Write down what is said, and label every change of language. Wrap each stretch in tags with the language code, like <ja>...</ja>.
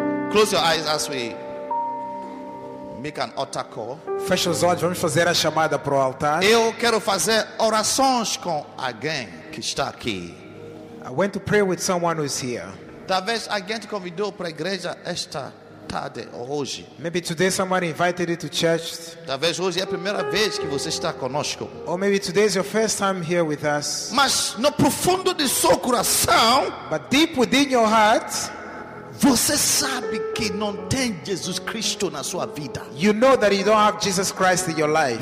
<en>Close your eyes as we make an altar call.</en> <pt>Fecha os olhos, vamos fazer a chamada para o altar. Eu quero fazer orações com alguém que está aqui.</pt> <en>I went to pray with someone who is here.</en> <pt>Talvez alguém te convidou para a igreja esta tarde ou hoje.</pt> <en>Maybe today somebody invited you to church.</en> <pt>Talvez hoje é a primeira vez que você está conosco.</pt> <en>Or maybe today is your first time here with us.</en> <pt>Mas no profundo de seu coração,</pt> <en>but deep within your heart,</en> <pt>você sabe que não tem Jesus Cristo na sua vida.</pt> <en>You know that you don't have Jesus Christ in your life.</en>